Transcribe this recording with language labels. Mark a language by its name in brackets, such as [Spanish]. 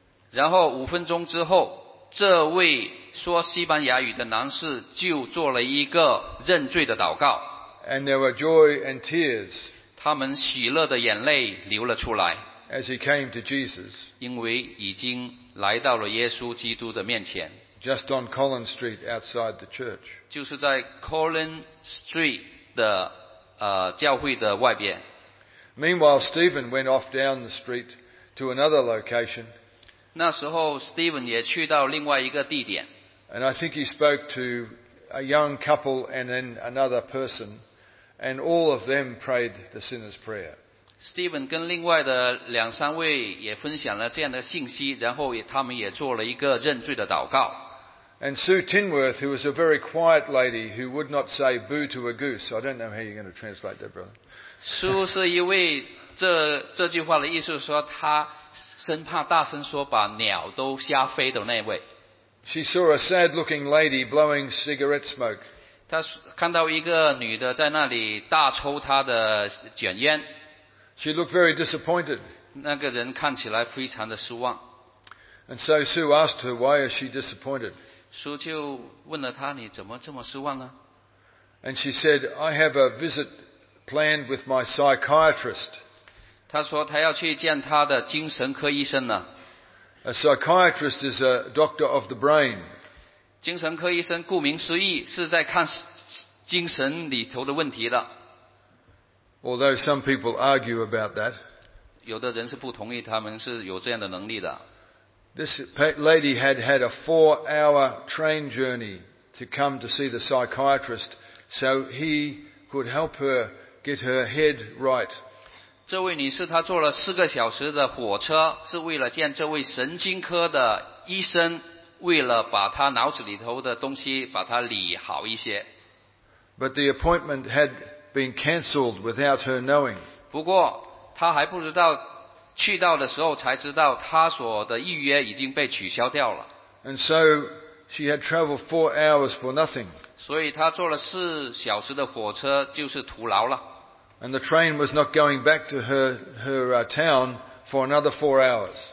[Chinese] 然后五分钟之后，这位说西班牙语的男士就做了一个认罪的祷告。 [English] And there were joy and tears. [Chinese] 他们喜乐的眼泪流了出来。 [English] As he came to Jesus. [Chinese] 因为已经来到了耶稣基督的面前。 [English] Just on Collins Street outside the church. [Chinese] 就是在 Collins Street 的教会的外边。 [English] Meanwhile, Stephen went off down the street to another location. [Chinese] 那时候 Stephen 也去到另外一个地点。 [English] And I think he spoke to a young couple and then another person, and all of them prayed the sinner's prayer. [Chinese] Stephen 跟另外的两三位也分享了这样的信息，然后他们也做了一个认罪的祷告。 [English] And Sue Tinworth, who was a very quiet lady who would not say boo to a goose. I don't know how you're going to translate that, brother. [Chinese] Sue 是一位这句话的意思是说她生怕大声说把鸟都吓飞的那位。 [English] She saw a sad-looking lady blowing cigarette smoke. [Chinese] 她看到一个女的在那里大抽她的卷烟。 [English] She looked very disappointed. [Chinese] 那个人看起来非常的失望。 [English] And so Sue asked her, why is she disappointed? [Chinese] 苏就问了他：“你怎么这么失望呢？” [English] And she said, "I have a visit planned with my psychiatrist." [Chinese] 他说他要去见他的精神科医生呢。 [English] A psychiatrist is a doctor of the brain. [Chinese] 精神科医生顾名思义是在看精神里头的问题的。 [English] Although some people argue about that, [Chinese] 有的人是不同意他们是有这样的能力的。 [English] This lady had had a 4-hour train journey to come to see the psychiatrist so he could help her get her head right. [Chinese] 这位女士她坐了四个小时的火车是为了见这位神经科的医生，为了把她脑子里头的东西把她理好一些。 [English] But the appointment had been cancelled without her knowing. [Chinese] 不过她还不知道去到的时候才知道他所的预约已经被取消掉了。 [English] And so she had traveled 4 hours for nothing. [Chinese] 所以他坐了四小时的火车就是徒劳了。 [English] And the train was not going back to her town for another 4 hours.